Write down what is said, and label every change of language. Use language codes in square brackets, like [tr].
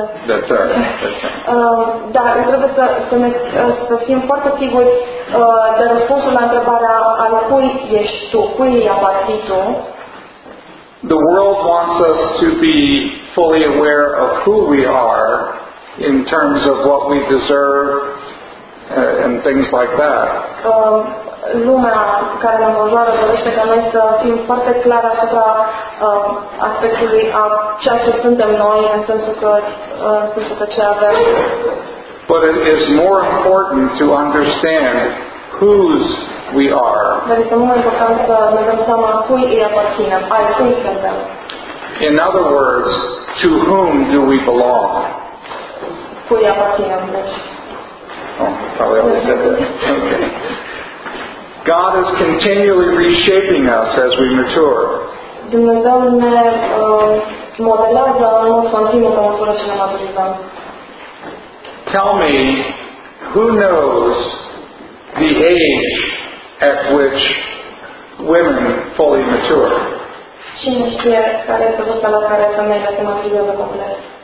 [en] Oh, sorry. I didn't know you were getting into that. all right. [ro] Da, trebuie să fim foarte siguri de răspunsul la întrebarea al cui ești tu, cui aparții tu. [en] The world wants us to be fully aware of who we are in terms of what we deserve and things like that. [ro] Lumea care ne înconjoară dorește ca noi să fim foarte clar asupra aspectului a ceea ce suntem noi, în sensul că ce avem. [en] But it is more important to understand whose we are. [ro] Dar este mai important să ne dăm seama cui îi aparținem, ai cui suntem. [en] In other words, to whom do we belong? [ro] Cui aparținem, deci. [en] Oh, probably always said that. Okay. God is continually reshaping us as we mature. [ro] Dumnezeu ne modelează în mod continuu pe măsură ce ne maturizăm. [en] tell me who knows the age at which women fully mature? [ro] Cine știe care este vârsta la care femeile se maturizează complet?